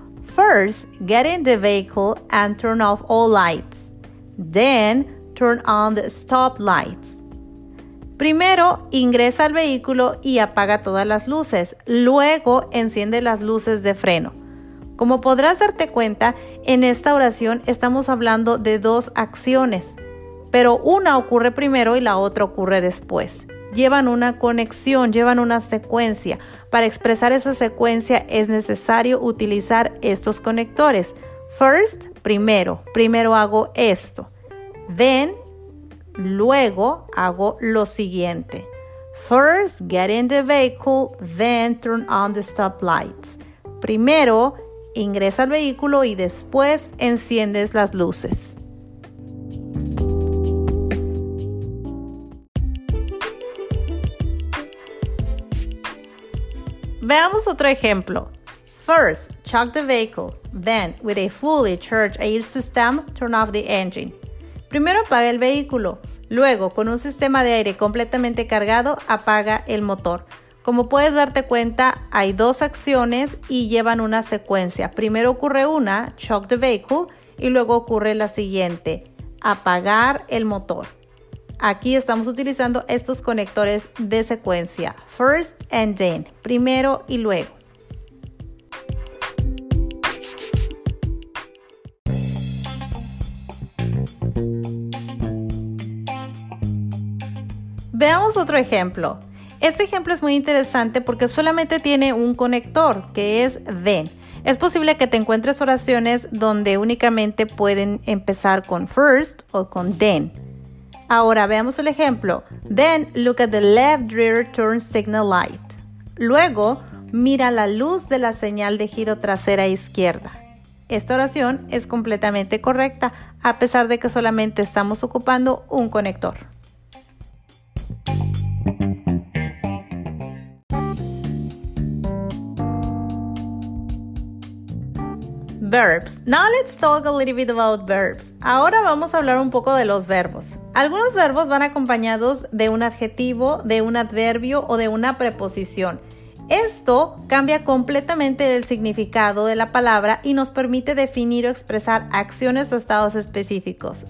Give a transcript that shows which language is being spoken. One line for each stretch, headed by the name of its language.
English: First, get in the vehicle and turn off all lights. Then, turn on the stop lights.
Spanish: Primero, ingresa al vehículo y apaga todas las luces. Luego, enciende las luces de freno. Como podrás darte cuenta, en esta oración estamos hablando de dos acciones, pero una ocurre primero y la otra ocurre después. Llevan una conexión, llevan una secuencia. Para expresar esa secuencia es necesario utilizar estos conectores. First, primero. Primero hago esto. Then, luego hago lo siguiente.
English: First, get in the vehicle, then turn on the stop lights.
Spanish: Primero, ingresa al vehículo y después enciendes las luces. Veamos otro ejemplo.
English: First, chalk the vehicle, then, with a fully charged air system, turn off the engine.
Spanish: Primero apaga el vehículo, luego con un sistema de aire completamente cargado apaga el motor. Como puedes darte cuenta, hay dos acciones y llevan una secuencia. Primero ocurre una,
English: shock the vehicle,
Spanish: y luego ocurre la siguiente, apagar el motor. Aquí estamos utilizando estos conectores de secuencia,
English: first and then,
Spanish: primero y luego. Veamos otro ejemplo. Este ejemplo es muy interesante porque solamente tiene un conector, que es then. Es posible que te encuentres oraciones donde únicamente pueden empezar con first o con then. Ahora veamos el ejemplo.
English: Then look at the left rear turn signal light.
Spanish: Luego, mira la luz de la señal de giro trasera izquierda. Esta oración es completamente correcta, a pesar de que solamente estamos ocupando un conector.
English: Verbs. Now let's talk a little bit about verbs.
Spanish: Ahora vamos a hablar un poco de los verbos. Algunos verbos van acompañados de un adjetivo, de un adverbio o de una preposición. Esto cambia completamente el significado de la palabra y nos permite definir o expresar acciones o estados específicos.